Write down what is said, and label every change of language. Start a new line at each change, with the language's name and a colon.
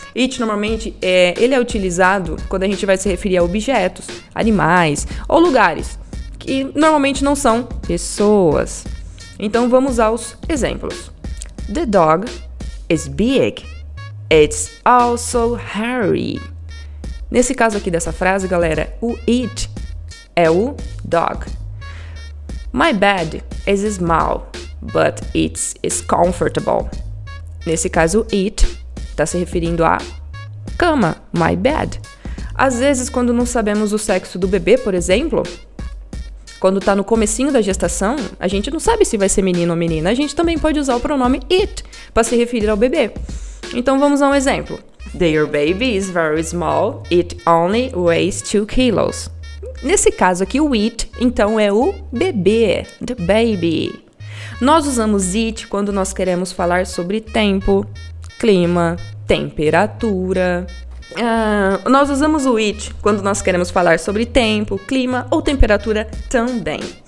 Portuguese: It normalmente ele é utilizado quando a gente vai se referir a objetos, animais ou lugares, que normalmente não são pessoas. Então vamos aos exemplos.
English: The dog is big. It's also hairy.
Portuguese: Nesse caso aqui dessa frase, galera, o it é o dog.
English: My bed is small, but it's comfortable.
Portuguese: Nesse caso, it está se referindo à cama,
English: my bed.
Portuguese: Às vezes, quando não sabemos o sexo do bebê, por exemplo, quando está no comecinho da gestação, a gente não sabe se vai ser menino ou menina. A gente também pode usar o pronome it para se referir ao bebê. Então, vamos a um exemplo.
English: Their baby is very small. It only weighs 2 kilos.
Portuguese: Nesse caso aqui, o it, então, é o bebê,
English: the baby.
Portuguese: Nós usamos it quando nós queremos falar sobre tempo, clima, temperatura. Nós usamos o it quando nós queremos falar sobre tempo, clima ou temperatura também.